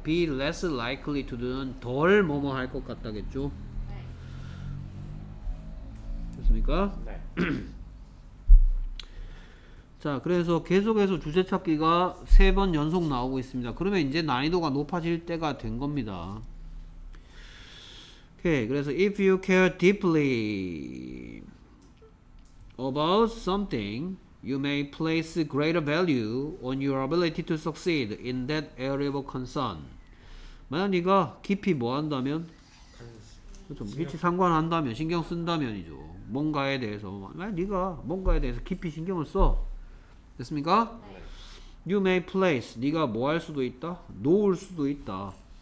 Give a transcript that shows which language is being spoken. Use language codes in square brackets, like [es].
[en] Be less likely to do [ko] 는 덜 뭐뭐 할 것 같다겠죠? 네. 됐습니까? 네. 자, 그래서 계속해서 주제 찾기가 세 번 연속 나오고 있습니다. 그러면 이제 난이도가 높아질 때가 된 겁니다. 오케이. 그래서 [en] if you care deeply about something, you may place greater value on your ability to succeed in that area of concern. [ko] 만약 네가 깊이 뭐 한다면? 그렇죠. 깊이 상관한다면, 신경 쓴다면이죠. 뭔가에 대해서. 만약 네가 뭔가에 대해서 깊이 신경을 써. 됐습니까? 네. [en] You may place. [ko] 네가 뭐 할 수도 있다? 놓을 수도 있다.